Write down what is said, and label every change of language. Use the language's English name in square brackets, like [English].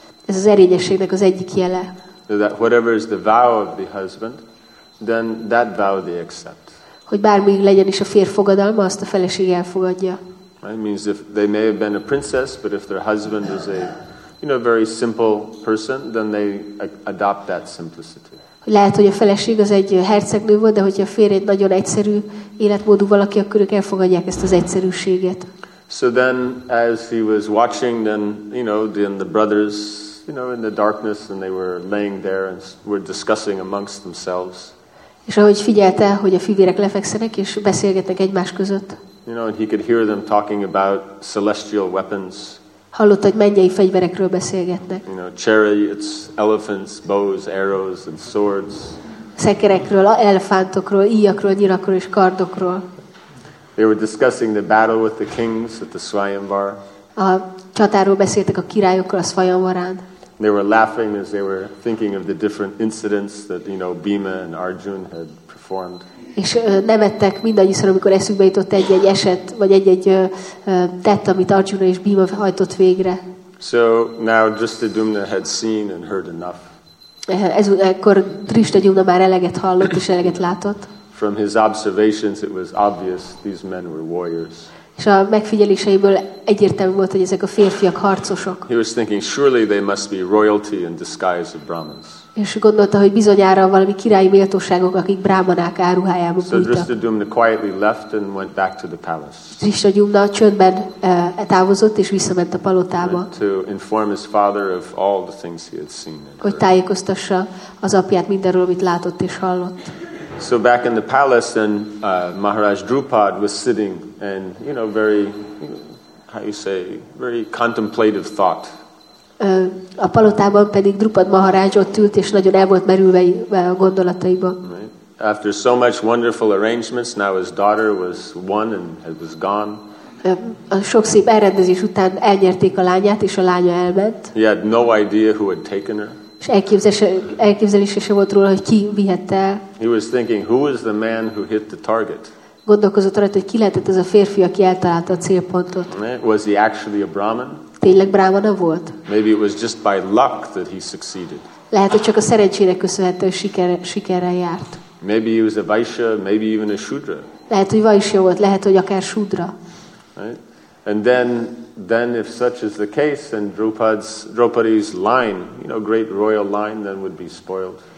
[Hungarian] Ez az erényességnek az egyik jele. [English] That whatever is the vow of the husband, then that vow they accept. [Hungarian] Hogy bármi legyen is a férj fogadalma, azt a feleség elfogadja. [English] It means if they may have been a princess, but if their husband is a, you know, very simple person, then they adopt that simplicity. [Hungarian] Lehet, hogy a feleség az egy hercegnő volt, de hogyha a férj egy nagyon egyszerű életmódú valaki, akkor ők elfogadják ezt az egyszerűséget. [English] So then, as he was watching, then, you know, then the brothers, you know, in the darkness, and they were laying there and were discussing amongst themselves. [Hungarian] És ahogy figyelte, hogy a fivérek lefekszenek és beszélgetnek egymás között. [English] You know, and he could hear them talking about celestial weapons. [Hungarian] Hallott, hogy mennyei fegyverekről beszélgetnek. [English] You know, chariots, elephants, bows, arrows, and swords. [Hungarian] Szekerekről, elefántokról, íjakról, nyirakról és kardokról. [English] They were discussing the battle with the kings at the Svayamvar. [Hungarian] A csatáról beszéltek a királyokkal a Svayamvarán. [English] They were laughing as they were thinking of the different incidents that, you know, Bhima and Arjuna had performed. [Hungarian] És nevettek mindannyiszor, amikor eszükbe jutott egy-egy eset, vagy egy-egy tett, amit Arjuna és Bhima hajtott végre. [English] So now Drishtadyumna had seen and heard enough. [Hungarian] Ekkor Drishtadyumna már eleget hallott és eleget látott. [English] From his observations, it was obvious these men were warriors. [Hungarian] És a megfigyeléseiből egyértelmű volt, hogy ezek a férfiak harcosok. [English] He was thinking, surely they must be royalty in disguise of Brahmins. [Hungarian] És gondolta, hogy bizonyára valami királyi méltóságok, akik brahmanák áruhájában bújtak. [English] So Drishtadyumna quietly left and went back to the palace. [Hungarian] Drishtadyumna csöndben távozott és visszament a palotába. [English] To inform his father of all the things he had seen. [Hungarian] Hogy tájékoztassa az apját mindenről, amit látott és hallott. [English] So back in the palace, and Maharaj Drupad was sitting, and you know, very, how you say, very contemplative thought. [Hungarian] A palotában pedig Drupad Maharaj ott ült, és nagyon el volt merülve a gondolataiba. [English] After so much wonderful arrangements, now his daughter was won and it was gone. [Hungarian] A sok szép elrendezés után elnyerték a lányát, és a lánya elment. [English] He had no idea who had taken her. [Hungarian] És elképzelése se volt róla, hogy ki vihette el. [English] He was thinking, who is the man who hit the target? [Hungarian] Gondolkozott rajta, hogy ki lehetett ez a férfi, aki eltalálta a célpontot. [English] Was he actually a Brahmin? [Hungarian] Tényleg brahmana volt? [English] Maybe it was just by luck that he succeeded. [Hungarian] Lehet, hogy csak a szerencsének köszönhető, hogy sikerrel járt. [English] Maybe he was a Vaishya, maybe even a Shudra. [Hungarian] Lehet, hogy Vaishya volt, lehet, hogy akár Shudra. [English] And then if such is the case, then Draupadi's line, you know, great royal line, then would be spoiled.